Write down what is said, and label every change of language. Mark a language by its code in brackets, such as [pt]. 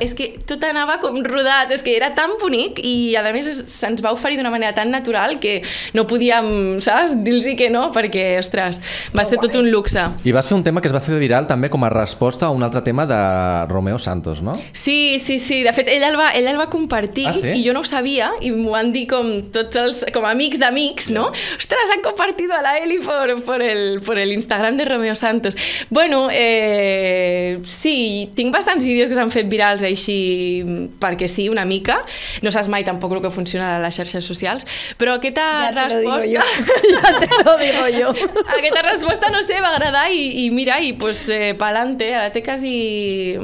[ca] És que tot anava com rodar. És que era tan bonic i a més se'ns va oferir d'una manera tan natural que no podíem, saps, dir-los que no, perquè, ostres, va ser tot un luxe. I vas fer un tema que es va fer viral també com a resposta a un altre tema de Romeo Santos, no? Sí, sí, sí, de fet ell el va compartir. Ah, sí? I jo no ho sabia i m'ho van dir com tots els, com amics d'amics, no? Sí. [es] Ostres, han compartido a la Eli por el Instagram de Romeo Santos. [ca] Bueno, sí, tinc bastants vídeos que s'han fet virals així perquè sí, una mica, no saps mai tampoc el que funciona a les xarxes socials, però aquesta resposta... [es] Ja te lo digo yo. [ca] Aquesta resposta, no sé, va agradar i mira, i [es] pues pa'lante, [ca] ara té quasi...